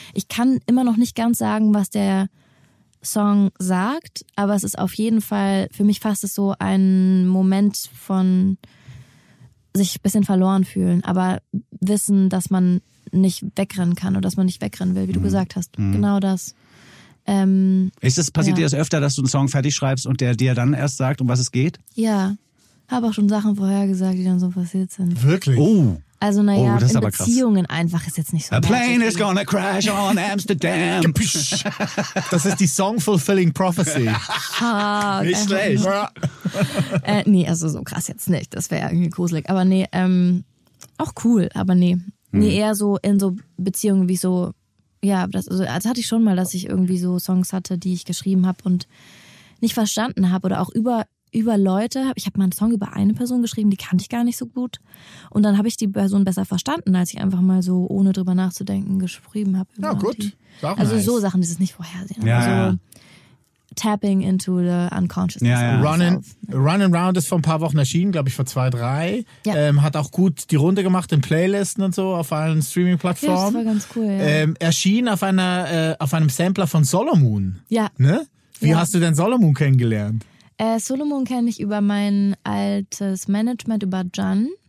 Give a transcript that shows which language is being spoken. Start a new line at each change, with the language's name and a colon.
German: Ich kann immer noch nicht ganz sagen, was der Song sagt, aber es ist auf jeden Fall, für mich fasst es so einen Moment von sich ein bisschen verloren fühlen, aber wissen, dass man nicht wegrennen kann oder dass man nicht wegrennen will, wie du gesagt hast. Mhm. Genau das. Passiert dir das öfter, dass du einen Song fertig schreibst und der dir dann erst sagt, um was es geht? Ja, habe auch schon Sachen vorhergesagt, die dann so passiert sind. Wirklich? Oh. Also naja, in Beziehungen einfach ist jetzt nicht so.
English: A plane is gonna crash on Amsterdam.
German: Das ist die
English: song-fulfilling prophecy.
German: Nicht schlecht. Nee, also so krass jetzt nicht. Das wäre irgendwie gruselig. Aber nee, auch cool, aber nee. Nee, eher so in so Beziehungen wie so. Ja, das hatte ich schon mal, dass ich irgendwie so Songs hatte, die ich geschrieben habe und nicht verstanden habe oder auch über Leute. Ich habe mal einen Song über eine Person geschrieben, die kannte ich gar nicht so gut. Und dann habe ich die Person besser verstanden, als ich einfach mal so, ohne drüber nachzudenken, geschrieben habe. Ja, gut. Also nice. So Sachen, die es nicht vorhersehen. Ja,
English: also tapping into the unconsciousness.
German: Ja. Running Round ist vor ein paar Wochen erschienen, glaube ich vor 2, 3. Ja. Hat auch gut die Runde gemacht in Playlisten und so auf allen Streaming-Plattformen. Ja, das war ganz cool, ja. Erschien auf einem Sampler von Solomon. Ja. Ne? Wie hast du denn Solomon kennengelernt? Solomon kenne ich über mein altes Management, über Can.